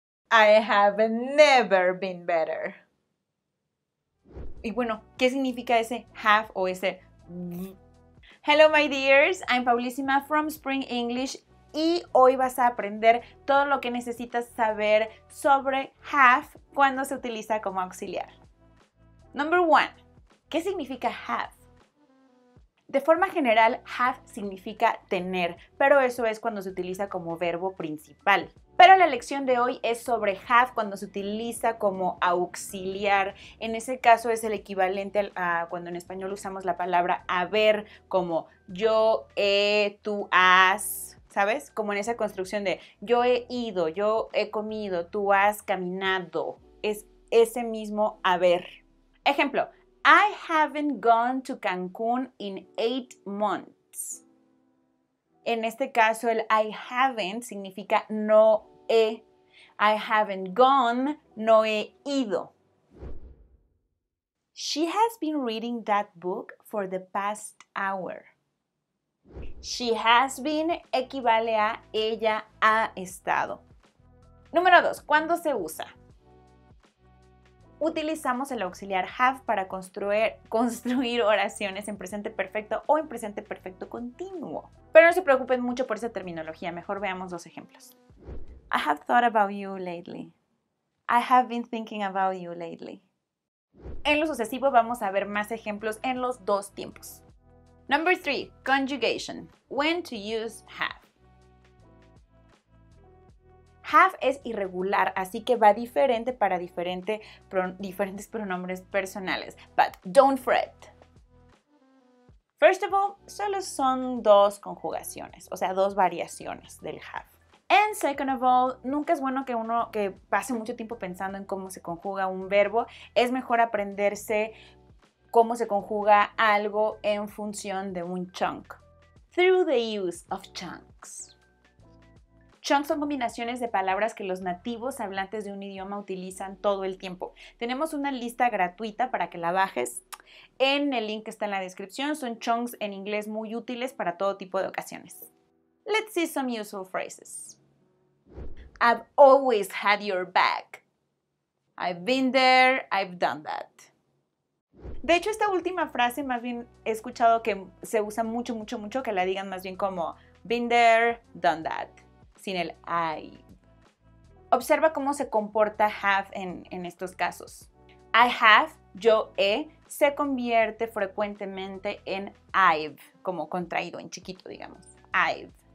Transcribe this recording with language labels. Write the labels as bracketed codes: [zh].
[en] I have never been better. [es] Y bueno, ¿qué significa ese have o ese? [en] Hello, my dears. I'm Paulissima from Spring English. [es] Y hoy vas a aprender todo lo que necesitas saber sobre have cuando se utiliza como auxiliar. [en] Number one, [es] ¿qué significa have? De forma general, have significa tener, pero eso es cuando se utiliza como verbo principal. Pero la lección de hoy es sobre have cuando se utiliza como auxiliar. En ese caso es el equivalente a cuando en español usamos la palabra haber, como yo, he, tú, has, ¿sabes? Como en esa construcción de yo he ido, yo he comido, tú has caminado. Es ese mismo haber. Ejemplo. [en] I haven't gone to Cancun in 8 months. [es] En este caso, el [en] I haven't [es] significa no he. [en] I haven't gone, [es] no he ido. [en] She has been reading that book for the past hour. She has been [es] equivale a ella ha estado. Número 2. ¿Cuándo se usa? Utilizamos el auxiliar have para construir oraciones en presente perfecto o en presente perfecto continuo. Pero no se preocupen mucho por esa terminología. Mejor veamos dos ejemplos. [en] I have thought about you lately. I have been thinking about you lately. [es] En lo sucesivo vamos a ver más ejemplos en los dos tiempos. [en] Number 3. Conjugation. When to use have. [es] Have es irregular, así que va diferente para diferentes pronombres personales. [en] But don't fret. First of all, [es] solo son dos conjugaciones, o sea, dos variaciones del have. [en] And second of all, [es] nunca es bueno que uno que pase mucho tiempo pensando en cómo se conjuga un verbo. Es mejor aprenderse cómo se conjuga algo en función de un chunk. [en] Through the use of chunks. [es] Chunks son combinaciones de palabras que los nativos hablantes de un idioma utilizan todo el tiempo. Tenemos una lista gratuita para que la bajes en el link que está en la descripción. Son chunks en inglés muy útiles para todo tipo de ocasiones. [en] Let's see some useful phrases. I've always had your back. I've been there, I've done that. [es] De hecho, esta última frase más bien he escuchado que se usa mucho, mucho, mucho, que la digan más bien como [en] been there, done that. [es] Sin el I. Observa cómo se comporta have en estos casos. [en] I have, [es] yo he, se convierte frecuentemente en I've, como contraído, en chiquito, digamos. I've.